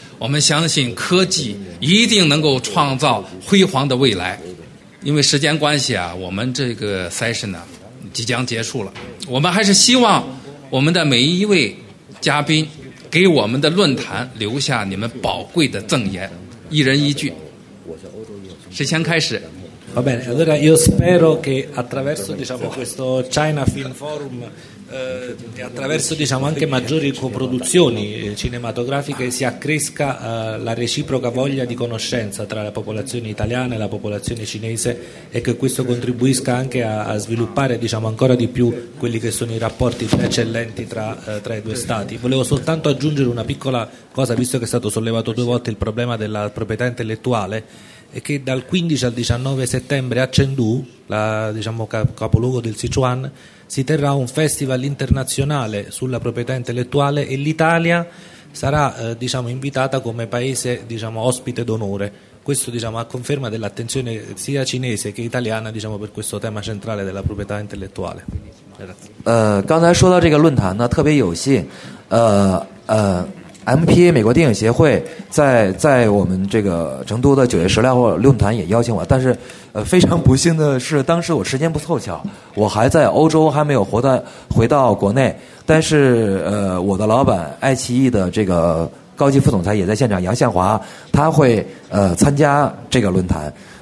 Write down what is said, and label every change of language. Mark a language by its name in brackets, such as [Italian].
[Chinese] 我们相信科技一定能够创造辉煌的未来。因为时间关系啊，我们这个 session 呢即将结束了，我们还是希望我们的每一位嘉宾给我们的论坛留下你们宝贵的赠言，一人一句，谁先开始？ [Italian] Va bene, allora io spero che attraverso, diciamo, questo China Film Forum e attraverso, diciamo, anche maggiori coproduzioni cinematografiche si accresca la reciproca voglia di conoscenza tra la popolazione italiana e la popolazione cinese e che questo contribuisca anche a sviluppare, diciamo, ancora di più quelli che sono i rapporti eccellenti tra i due stati. Volevo soltanto aggiungere una piccola cosa, visto che è stato sollevato due volte il problema della proprietà intellettuale. E che dal 15 al 19 settembre a Chengdu, diciamo, capoluogo del Sichuan, si terrà un festival internazionale sulla proprietà intellettuale e l'Italia sarà diciamo, invitata come paese, diciamo, ospite d'onore. Questo, diciamo, a conferma dell'attenzione sia cinese che italiana, diciamo, per questo tema centrale della proprietà intellettuale. Grazie. [Chinese] MPA 美国电影协会在我们这个成都的九月十六号论坛也邀请我，但是非常不幸的是，当时我时间不凑巧，我还在欧洲，还没有回到国内。但是我的老板爱奇艺的这个高级副总裁也在现场，杨向华，他会参加这个论坛。